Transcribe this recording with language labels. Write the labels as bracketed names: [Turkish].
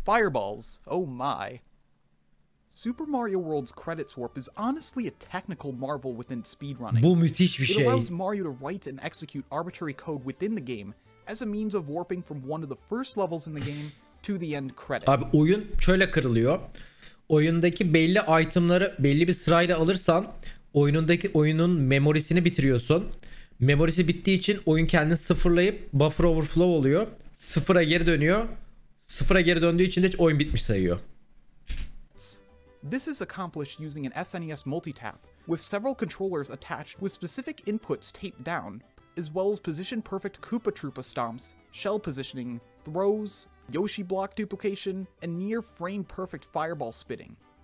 [English] Fireballs. Oh my. Super Mario World's Credits Warp is honestly a technical marvel within speedrunning. [Turkish] Bu müthiş bir şey. [English] It allows Mario to write and execute arbitrary code within the game as a means of warping from one of the first levels in the game to the end credit. [Turkish] Abi oyun şöyle kırılıyor. Oyundaki belli itemları belli bir sırayla alırsan oyunun memorisini bitiriyorsun. Memorisi bittiği için oyun kendini sıfırlayıp buffer overflow oluyor. Sıfıra geri dönüyor. Sıfıra geri döndüğü için de oyun bitmiş sayıyor. [English] This is accomplished using an SNES multi-tap, with several controllers attached with specific inputs taped down, as well as position-perfect Koopa Troopa stomps, shell positioning, throws, Yoshi block duplication, and near-frame-perfect fireball spitting.